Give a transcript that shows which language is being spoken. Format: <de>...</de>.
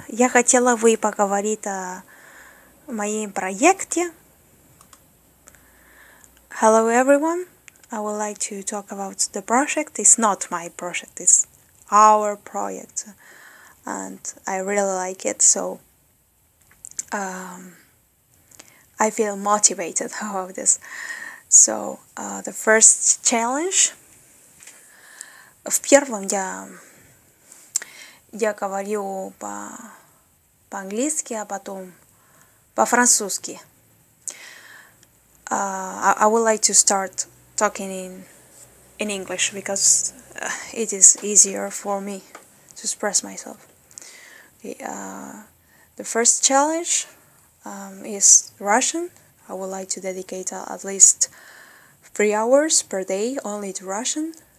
<ru>Я хотела бы поговорить о моем проекте.</ru> <en>Hello everyone. I would like to talk about the project. It's not my project, it's our project. And I really like it, so I feel motivated about this. So the first challenge.</en> <ru>В первом я говорю по-английски, а потом по-французски.</ru> <en>I would like to start talking in English because it is easier for me to express myself. The first challenge is Russian. I would like to dedicate at least 3 hours per day only to Russian.</en>